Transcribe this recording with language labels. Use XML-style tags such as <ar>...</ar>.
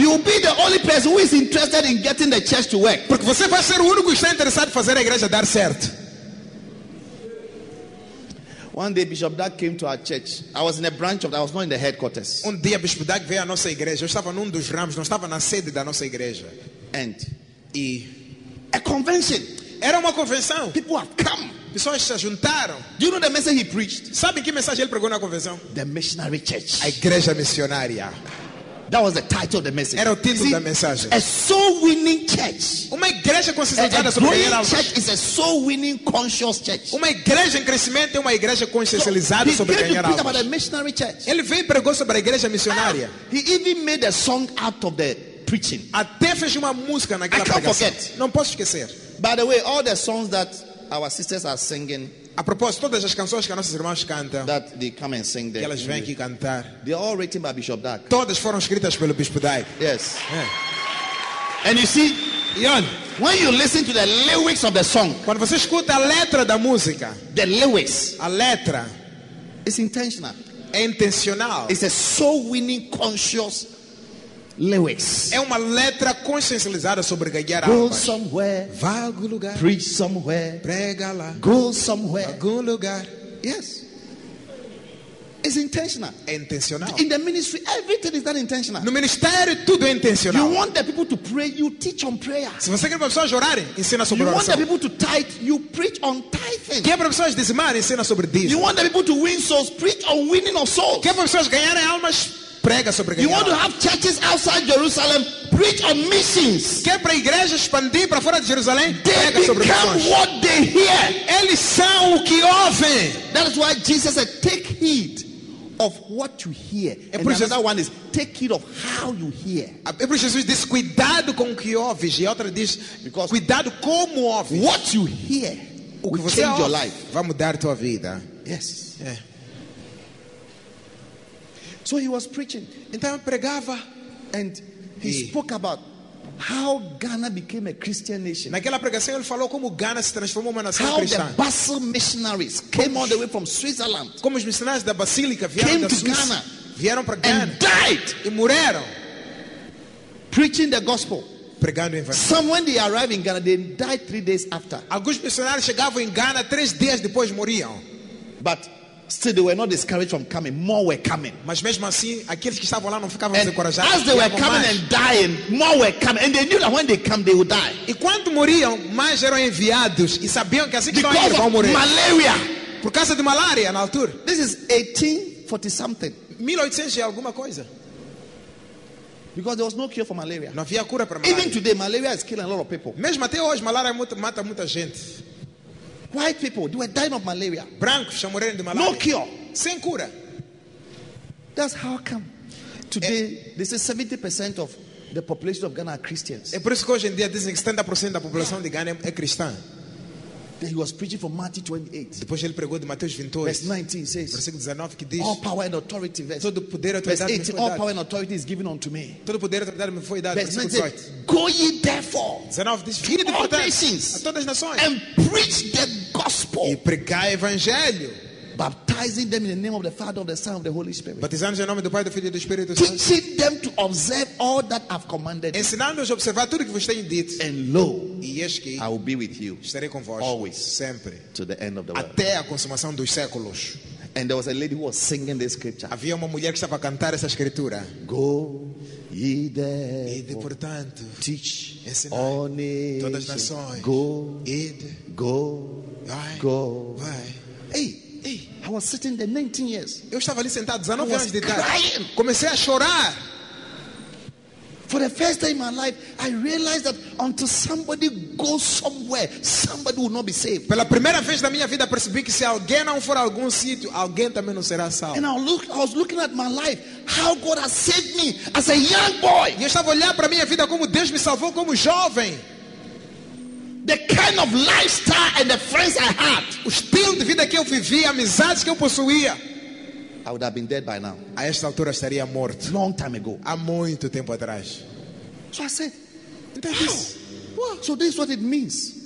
<en>You will be the only person who is interested in getting the church to work.</en> <pt>Porque você vai ser o único que está interessado em fazer a igreja dar certo.</pt> <en>One day Bishop Doug came to our church. I was in a branch of, I was not in the headquarters.</en> <pt>Um dia Bishop Doug veio à nossa igreja. Eu estava num dos ramos, não estava na sede da nossa igreja.</pt> <en>And</en> <pt>e</pt> <en>a convention.</en> <pt>Era uma convenção.</pt> <en>People have come.</en> <pt>Pessoas se juntaram.</pt> <en>Do you know the message he preached?</en> <pt>Sabe que mensagem ele pregou na convenção?</pt> <en>The missionary church.</en> <pt>A igreja missionária.</pt> <en>That was the title of the message.</en> <pt>Era o título da mensagem.</pt> <en>A soul-winning church.</en> <pt>Uma igreja consistente</pt> <en>a growing church is a soul-winning conscious church.</en> <pt>Uma igreja em crescimento é uma igreja consciencializada sobre ganhar almas.</pt> <en>He preached about a missionary church.</en> <pt>Ele veio e pregou sobre a igreja missionária.</pt> <en>He even made a song out of the preaching.</en> <pt>Até fez uma música naquela pregação.</pt> <en>I can't forget.</en> <pt>Não posso esquecer.</pt> <en>By the way, all the songs that our sisters are singing.</en> <pt>A propósito, todas as canções que as nossas irmãs cantam,</pt> <en>that they come and sing there,</en> <pt>que elas vêm aqui cantar,</pt> <en>they are all written by Bishop Dyke.</en> <pt>Todas foram escritas pelo Bispo Dyke.</pt> <en>Yes. Yeah. And you see, Ian, when you listen to the lyrics of the song,</en> <pt>quando você escuta a letra da música,</pt> <en>the lyrics,</en> <pt>a letra,</pt> <en>it's intentional.</en> <pt>É intencional.</pt> <en>It's a soul-winning, conscious lyrics.</en> <pt>É uma letra consciencializada sobre ganhar</pt> <en>go Go somewhere.</en> <pt>Vá a algum lugar.</pt> <en>Preach somewhere.</en> <pt>Prega lá.</pt> <en>Go somewhere.</en> <pt>Algum lugar.</pt> <en>Yes. It's intentional.</en> <pt>É intencional.</pt> <en>In the ministry, everything is done intentional.</en> <pt>No ministério, tudo é intencional.</pt> <en>You want the people to pray, you teach on prayer.</en> <pt>Se você quer para as pessoas orarem, ensina sobre oração.</pt> <en>You want the people to tithe, you preach on tithing.</en> <pt>Quer para as pessoas dizimar, ensina sobre dízimo.</pt> <en>You want the people to win souls, preach on winning of souls.</en> <pt>Quer para as pessoas ganharem almas, prega sobre ganhar.</pt> <en>You want to have churches outside Jerusalem, preach on missions.</en> <pt>Quer para a igreja expandir para fora de Jerusalém?</pt> <en>They</en> <pt>prega sobre missões.</pt> <en>Become what they they hear.</en> <pt>Eles são o que ouvem.</pt> <en>That is why Jesus said, take heed of what you hear.</en> <pt>É por isso,</pt> <en>and another one is, take heed of how you hear.</en> <pt>É por isso, Jesus diz, cuidado com o que ouves. E outra diz,</pt> <en>because</en> <pt>cuidado como ouves.</pt> <en>What you hear,</en> <pt>o que você</pt> <en>change your life.</en> <pt>Vai mudar tua vida.</pt> <en>Yes. Yeah. So he was preaching.</en> <pt>Então pregava.</pt> <en>And he spoke about how Ghana became a Christian nation.</en> <pt>Naquela pregação ele falou como Ghana se transformou uma nação</pt> <en>how</en> <pt>cristã.</pt> <en>How the Basel missionaries came all the way from Switzerland.</en> <pt>Como os missionários da Basílica vieram</pt> <en>came</en> <pt>da Suíça.</pt> <en>Ghana.</en> <pt>Vieram para Ghana.</pt> <en>And died.</en> <pt>E morreram.</pt> <en>Preaching the gospel.</en> <pt>Pregando o evangelho.</pt> <en>Some when they arrived in Ghana, they died 3 days after.</en> <pt>Alguns missionários chegavam em Ghana 3 dias depois morriam.</pt> <en>But still, they were not discouraged from coming. More were coming.</en> <pt>Mas mesmo assim, aqueles que estavam lá não ficavam desencorajados.</pt> <en>As they were coming and dying, more were coming, and they knew that when they come, they would die.</en> <pt>E quando morriam, mais eram enviados e sabiam que assim que estavam indo, vão morrer.</pt> <en>Malaria.</en> <pt>Por causa de malária na altura.</pt> <en>This is 1840 something.</en> <pt>1800 e alguma coisa.</pt> <en>Because there was no cure for malaria.</en> <pt>Não havia cura para malária.</pt> <en>Even today, malaria is killing a lot of people.</en> <pt>Mesmo até hoje, malária mata muita gente.</pt> <en>White people, they were dying of malaria.</en> <pt>Brancos estão morrendo de malária.</pt> <en>No cure.</en> <pt>Sem cura.</pt> <en>That's how come today they say 70% of the population of Ghana are Christians.</en> <pt>É por isso que hoje em dia dizem que 70% da população de Ghana é cristã.</pt> <en>Then he was preaching from Matthew 28.</en> <pt>Depois ele pregou de Mateus 28.</pt> <en>Verse 19 says.</en> <pt>Versículo 19 que diz.</pt> <en>All power and authority. Verse,</en> <pt>todo poder,</pt> <en>verse 18. All power and authority is given unto me.</en> <pt>Todo poder, autoridade me foi dado.</pt> <en>Verse 19. Go ye therefore.</en> <pt>19 diz.</pt> <en>To all nations.</en> <pt>A todas as nações.</pt> <en>And preach the gospel.</en> <pt>E pregar o evangelho.</pt> <en>Baptizing them in the name of the Father, of the Son, of the Holy Spirit.</en> <pt>Batizando em nome do Pai, do Filho e do Espírito Santo.</pt> <en>Teaching them to observe all that I've commanded.</en> <pt>Ensinando-os a observar tudo que vos tenho dito.</pt> <en>And lo,</en> <pt>e eis que</pt> <en>I will be with you.</en> <pt>Estarei convosco.</pt> <en>Always.</en> <pt>Sempre.</pt> <en>To the end of the world.</en> <pt>Até a consumação dos séculos.</pt> <en>And there was a lady who was singing this scripture.</en> <pt>Havia uma mulher que estava a cantar essa escritura.</pt> <en>Go ye there.</en> <pt>Ide, portanto.</pt> <en>Teach.</en> <pt>Ensinai. Todas as nações.</pt> <en>Go.</en> <pt>Ide.</pt> <en>Go.</en> <pt>Vai.</pt> <en>Go.</en> <pt>Vai.</pt> <en>Ei. Hey, I was sitting there 19 years.</en> <pt>Eu estava ali sentado 19 anos de idade. Comecei a chorar.</pt> <en>For the first time in my life, I realized that until somebody goes somewhere, somebody will not be saved.</en> <pt>Pela primeira vez na minha vida percebi que se alguém não for a algum sítio, alguém também não será salvo.</pt> <en>And I was looking at my life, how God has saved me as a young boy.</en> <pt>Eu estava a olhar para a minha vida como Deus me salvou como jovem.</pt> <en>The kind of lifestyle and the friends I had.</en> <pt>O estilo de vida que eu vivia, amizades que eu possuía.</pt> <en>I would have been dead by now.</en> <pt>A esta altura estaria morto.</pt> <en>Long time ago.</en> <pt>Há muito tempo atrás.</pt> <en>So I said,</en> <pt>então, this,</pt> <en>what? So this is what it means.</en>